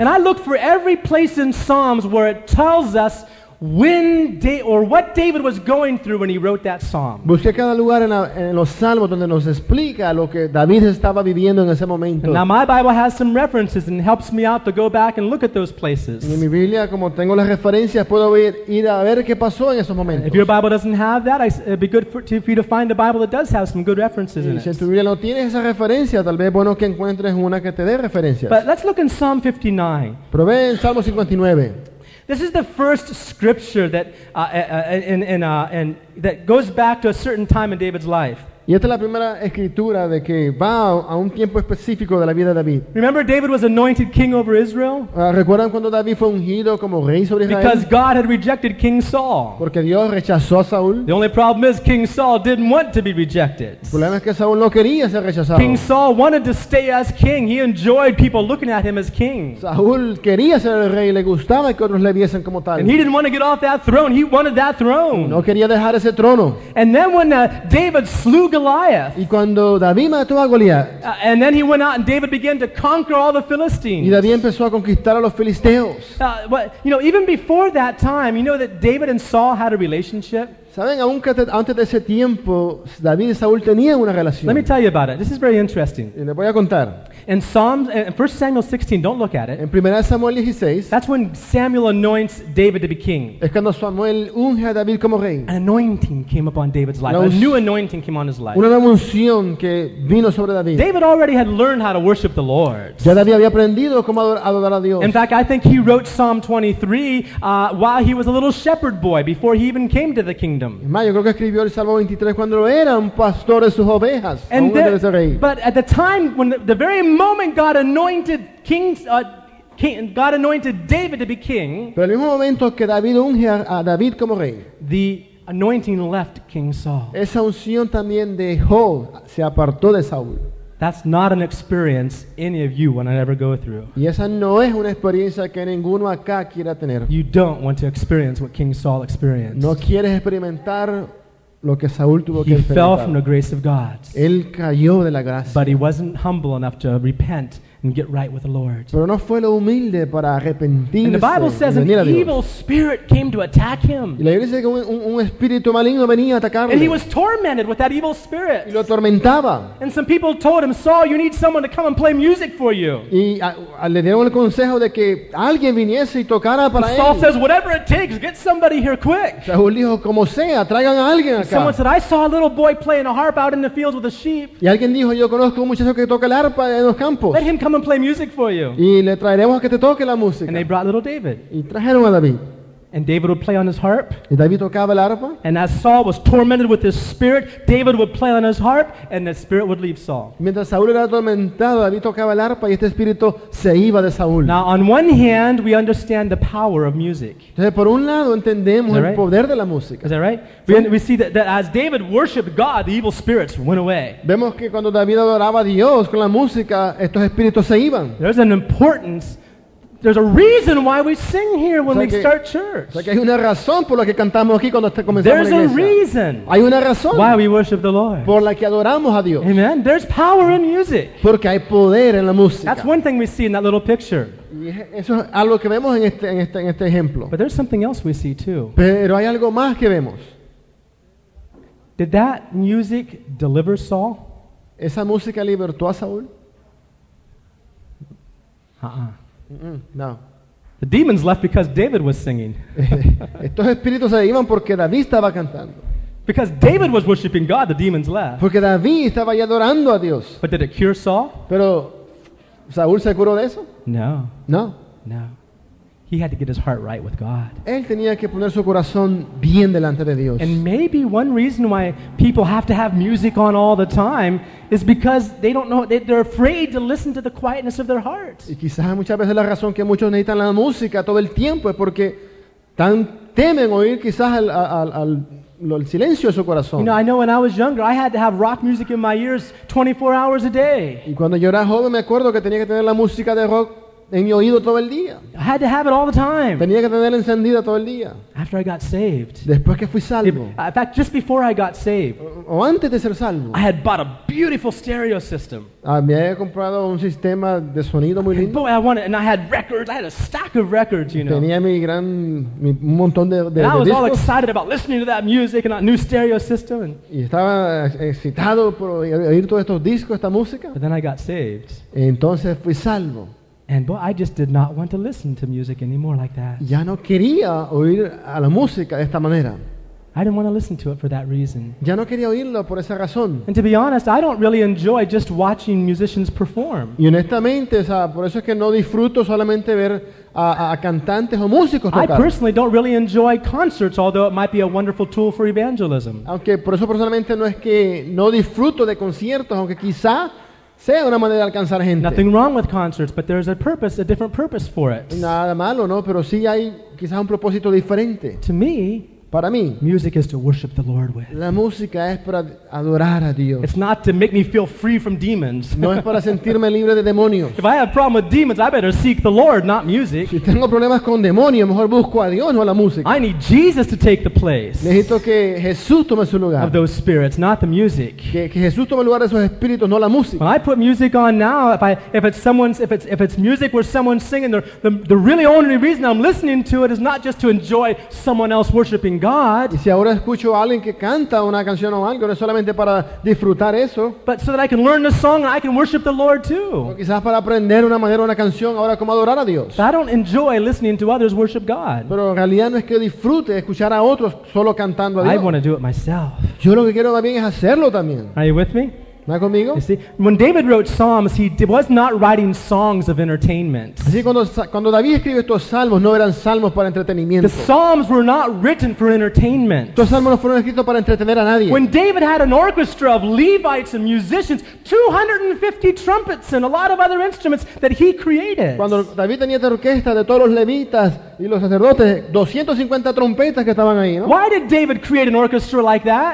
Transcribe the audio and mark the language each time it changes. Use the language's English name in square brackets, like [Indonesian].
[English] And I looked for every place in Psalms where it tells us when what David was going through when he wrote that psalm. [Spanish] Busqué cada lugar en los salmos donde nos explica lo que David estaba viviendo en ese momento. [English] And now my Bible has some references and helps me out to go back and look at those places. [Spanish] Y en mi Biblia, como tengo las referencias, puedo ir a ver qué pasó en esos momentos. [English] If your Bible doesn't have that, it'd be good for you to find a Bible that does have some good references in it. [Spanish] Y si en tu Biblia no tienes esa referencia, tal vez bueno que encuentres una que te dé referencias. [English] But let's look in Psalm 59. [Spanish] Probé en Salmo 59. [English] This is the first scripture that and that goes back to a certain time in David's life. [Spanish] Y esta es la primera escritura de que va a un tiempo específico de la vida de David. [English] Remember, David was anointed king over Israel. [Spanish] ¿Recuerdan cuando David fue ungido como rey sobre Israel? [English] Because God had rejected King Saul. [Spanish] Porque Dios rechazó a Saúl. [English] The only problem is King Saul didn't want to be rejected. [Spanish] El problema es que Saúl no quería ser rechazado. [English] King Saul wanted to stay as king. He enjoyed people looking at him as king. [Spanish] Saúl quería ser el rey. Le gustaba que otros le viesen como tal. [English] And he didn't want to get off that throne. He wanted that throne. [Spanish] No quería dejar ese trono. [English] And then when David slew Goliath. [Spanish] Y cuando David mató a Goliath. [English] And then he went out and David began to conquer all the Philistines. [Spanish] Y David empezó a conquistar a los filisteos. [English] But, you know, even before that time, you know that David and Saul had a relationship. [Spanish] ¿Saben? Aunque antes de ese tiempo, David y Saúl tenían una relación. [English] Let me tell you about it. This is very interesting. [Spanish] Y les voy a contar. [English] In Psalms, in 1 Samuel 16, don't look at it. [Spanish] En 1 Samuel 16. [English] That's when Samuel anoints David to be king. [Spanish] Es cuando Samuel unge a David como rey. [English] An anointing came upon David's life. A new anointing came on his life. [Spanish] Una nueva unción que vino sobre David. [English] David already had learned how to worship the Lord. [Spanish] Ya David había aprendido cómo adorar a Dios. [English] In fact, I think he wrote Psalm 23 while he was a little shepherd boy, before he even came to the kingdom. [Spanish] Yo creo que escribió el Salmo 23 cuando era un pastor de sus ovejas. [English] But at the time, when the very moment God anointed kings, God anointed David to be king. [Spanish] Pero el mismo momento que David unge a David como rey. [English] The anointing left King Saul. [Spanish] Esa unción también dejó, se apartó de Saúl. [English] That's not an experience any of you want to ever go through. [Spanish] Y esa no es una experiencia que ninguno acá quiera tener. [English] You don't want to experience what King Saul experienced. [Spanish] No quieres experimentar lo que Saúl tuvo [English] he [Spanish] que experimentar. [English] Fell from the grace of God. [Spanish] Él cayó de la gracia. [English] But he wasn't humble enough to repent and get right with the Lord. [Spanish] Pero no fue lo humilde para arrepentirse. [English] And the Bible says an evil spirit came to attack him. [Spanish] Y la Biblia dice que un espíritu maligno venía a atacarle. [English] And he was tormented with that evil spirit. [Spanish] Y lo atormentaba. [English] And some people told him, Saul, you need someone to come and play music for you. [Spanish] Y le dieron el consejo de que alguien viniese y tocara para él. [English] Saul says, whatever it takes, get somebody here quick. [Spanish] Saúl dijo, como sea, traigan a alguien acá. [English] Someone said, I saw a little boy playing a harp out in the fields with the sheep. [Spanish] Y alguien dijo, yo conozco un muchacho que toca el arpa en los campos. [English] Let him come and play music for you. [Spanish] Y le traeremos a que te toque la música. [English] And they brought little David. [Spanish] Y trajeron a David. [English] And David would play on his harp. [Spanish] Y David tocaba el arpa. [English] And as Saul was tormented with his spirit, David would play on his harp, and the spirit would leave Saul. [Spanish] Mientras Saúl era atormentado, David tocaba el arpa y este espíritu se iba de Saúl. [English] Now, on one hand, we understand the power of music. [Spanish] Entonces, por un lado, entendemos el poder de la música. [English] Is that right? We see that as David worshipped God, the evil spirits went away. [Spanish] Vemos que cuando David adoraba a Dios con la música, estos espíritus se iban. [English] There's an importance. There's a reason why we sing here when we start church. [Spanish] O sea que hay una razón por la que cantamos aquí cuando comenzamos la iglesia. [English] There's a reason. [Spanish] Hay una razón. [English] Why we worship the Lord. [Spanish] Por la que adoramos a Dios. [English] Amen. There's power in music. [Spanish] Porque hay poder en la música. [English] That's one thing we see in that little picture. [Spanish] Eso es algo que vemos en este ejemplo. [English] But there's something else we see too. [Spanish] Pero hay algo más que vemos. [English] Did that music deliver Saul? [Spanish] ¿Esa música libertó a Saúl? [English] No. The demons left because David was singing. [Spanish] Estos espíritus se iban porque David estaba cantando. [English] Because David was worshiping God, the demons left. [Spanish] Porque David estaba ya adorando a Dios. [English] But did it cure Saul? [Spanish] Pero Saúl se curó de eso? [English] No. [Spanish] No. No. [English] He had to get his heart right with God. [Spanish] Él tenía que poner su corazón bien delante de Dios. [English] And maybe one reason why people have to have music on all the time is because they don't know, they're afraid to listen to the quietness of their heart. [Spanish] Y quizás muchas veces la razón que muchos necesitan la música todo el tiempo es porque tan temen oír quizás el silencio de su corazón. [English] You know, I know when I was younger, I had to have rock music in my ears 24 hours a day. [Spanish] Y cuando yo era joven, me acuerdo que tenía que tener la música de rock en mi oído todo el día. [English] I had to have it all the time. [Spanish] Tenía que tenerla encendida todo el día. [English] After I got saved. [Spanish] Después que fui salvo. [English] In fact, just before I got saved. [Spanish] O antes de ser salvo. [English] I had bought a beautiful stereo system. [Spanish] Me había comprado un sistema de sonido muy lindo. [English] Boy, I wanted, and I had records. I had a stack of records, you know. [Spanish] Tenía un montón de discos. [English] And I was all excited about listening to that music and that new stereo system. [Spanish] Y estaba excitado por oír todos estos discos, esta música. [English] But then I got saved. [Spanish] Entonces fui salvo. [English] And boy, I just did not want to listen to music anymore like that. [Spanish] Ya no quería oír a la música de esta manera. [English] I didn't want to listen to it for that reason. [Spanish] Ya no quería oírlo por esa razón. [English] And to be honest, I don't really enjoy just watching musicians perform. [Spanish] Y honestamente, o sea, por eso es que no disfruto solamente ver a cantantes o músicos tocar. [English] I personally don't really enjoy concerts, although it might be a wonderful tool for evangelism. [Spanish] Aunque por eso personalmente no es que no disfruto de conciertos, aunque quizá sea una manera de alcanzar gente. [English] Nothing wrong with concerts, but there's a purpose, a different purpose for it. [Spanish] Nada malo, ¿no? Pero sí hay quizás un propósito diferente. [English] To me, [Spanish] para mí, [English] music is to worship the Lord with. [Spanish] La música es para adorar a Dios. [English] It's not to make me feel free from demons. [Spanish] No es para sentirme libre de demonios. [English] If I have a problem with demons, I better seek the Lord, not music. [Spanish] Si tengo problemas con demonios, mejor busco a Dios, no a la música. [English] I need Jesus to take the place. [Spanish] Necesito que Jesús tome su lugar. [English] Of those spirits, not the music. [Spanish] Que Jesús tome el lugar de esos espíritus, no la música. [English] When I put music on now, if it's music where someone's singing, the really only reason I'm listening to it is not just to enjoy someone else worshiping God. God. [Spanish] Y si ahora escucho a alguien que canta una canción o algo, no es solamente para disfrutar eso. [English] But so that I can learn the song and I can worship the Lord too. [Spanish] O quizás para aprender una manera, una canción, ahora cómo adorar a Dios. [English] But I don't enjoy listening to others worship God. [Spanish] Pero en realidad no es que disfrute escuchar a otros solo cantando a Dios. [English] I want to do it myself. [Spanish] Yo lo que quiero también es hacerlo también. [English] Are you with me? [Spanish] ¿Está conmigo? [English] You see, when David wrote Psalms, he was not writing songs of entertainment. [Spanish] Así cuando David escribe estos salmos, no eran salmos para entretenimiento. [English] The Psalms were not written for entertainment. [Spanish] Estos salmos no fueron escritos para entretener a nadie. [English] When David had an orchestra of Levites and musicians, 250 trumpets and a lot of other instruments that he created. [Spanish] Cuando David tenía esta orquesta de todos los levitas y los sacerdotes, 250 trompetas que estaban ahí, ¿no? [English] Why did David create an orchestra like that?